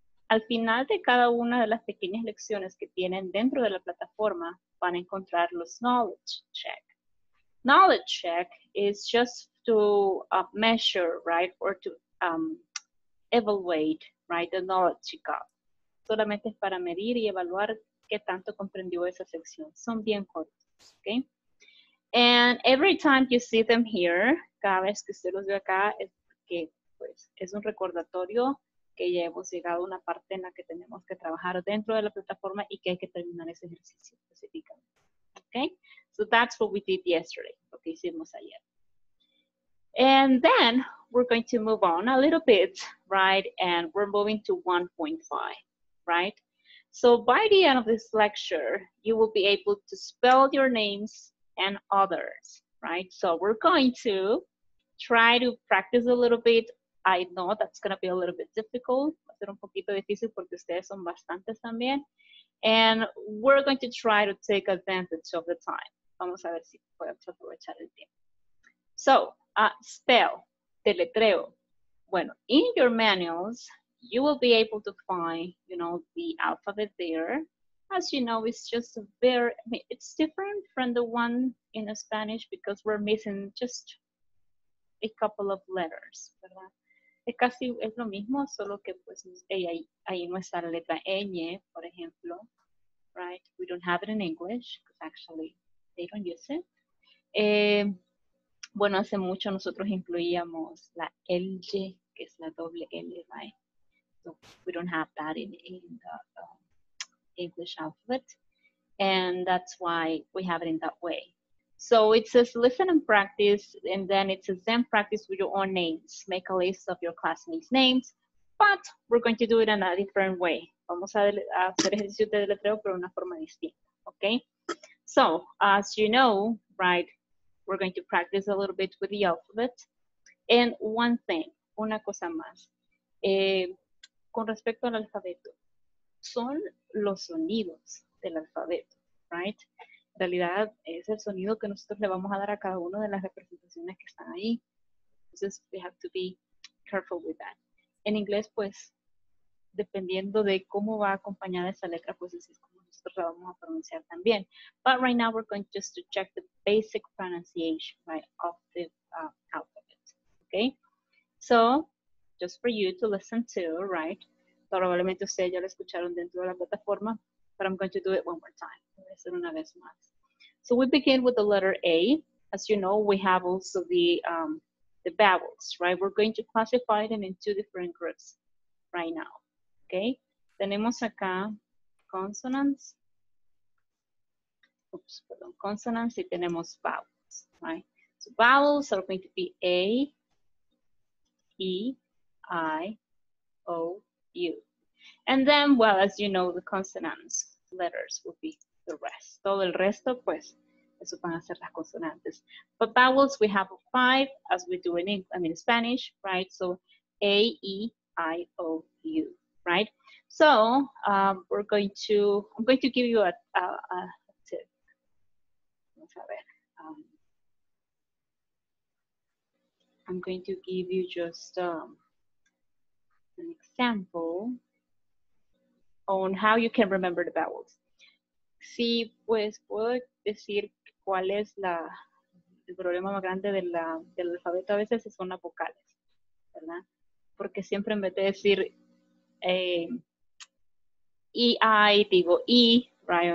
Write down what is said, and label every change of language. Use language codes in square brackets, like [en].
[es] Al final de cada una de las pequeñas lecciones que tienen dentro de la plataforma, van a encontrar los knowledge check. [en] Knowledge check is just to measure, right, or to evaluate, right, the knowledge you got. [es] Solamente es para medir y evaluar qué tanto comprendió esa sección. Son bien cortos, okay? [en] And every time you see them here, [es] cada vez que usted los ve acá, es porque, pues, es un recordatorio que ya hemos llegado a una parte en la que tenemos que trabajar dentro de la plataforma y que hay que terminar ese ejercicio específicamente. Okay? [en] So that's what we did yesterday, [es] lo que hicimos ayer. [en] And then we're going to move on a little bit, right? And we're moving to 1.5, right? So by the end of this lecture, you will be able to spell your names and others, right? So we're going to try to practice a little bit. I know that's going to be a little bit difficult. [es] Va a ser un poquito difícil porque ustedes son bastantes también. [en] And we're going to try to take advantage of the time. [es] Vamos a ver si podemos aprovechar el tiempo. [en] So, spell, deletreo. Bueno, in your manuals, you will be able to find, you know, the alphabet there. As you know, it's just very, I mean, it's different from the one in the Spanish because we're missing just a couple of letters, ¿verdad? [es] Es casi, es lo mismo, solo que pues ahí no está la letra ñ, por ejemplo, right? [en] We don't have it in English, because actually they don't use it. [es] Bueno, hace mucho nosotros incluíamos la LG, que es la doble L, right? [en] So we don't have that in the English alphabet, and that's why we have it in that way. So it says listen and practice, and then it says then practice with your own names. Make a list of your classmates' names, but we're going to do it in a different way. [es] Vamos a hacer ejercicio de deletreo, pero una forma distinta, okay? [en] So, as you know, right, we're going to practice a little bit with the alphabet. And one thing, [es] una cosa más. Con respecto al alfabeto, son los sonidos del alfabeto, right? En realidad es el sonido que nosotros le vamos a dar a cada una de las representaciones que están ahí. [en] Entonces, we have to be careful with that. [es] En inglés, pues, dependiendo de cómo va acompañada esa letra, pues, así es como nosotros la vamos a pronunciar también. [en] But right now, we're going just to check the basic pronunciation, right, of the alphabet. Okay? So, just for you to listen to, right? [es] Probablemente ustedes ya lo escucharon dentro de la plataforma. [en] But I'm going to do it one more time. So we begin with the letter A. As you know, we have also the vowels, right? We're going to classify them in two different groups right now, okay? [es] Tenemos acá [en] consonants. Oops, perdón, consonants [es] y tenemos [en] vowels, right? So vowels are going to be A, E, I, O, U. And then, well, as you know, the consonants, letters will be the rest. [es] Todo el resto, pues, eso van a ser las consonantes. [en] But vowels, we have five, as we do in English, I mean, Spanish, right? So, A, E, I, O, U, right? So, we're going to, I'm going to give you a tip. [es] Vamos a ver. [en] I'm going to give you just an example on how you can remember the vowels. [es] Sí, pues puedo decir cuál es el problema más grande de del alfabeto a veces son las vocales, ¿verdad? Porque siempre en vez de decir E-I, digo E, right?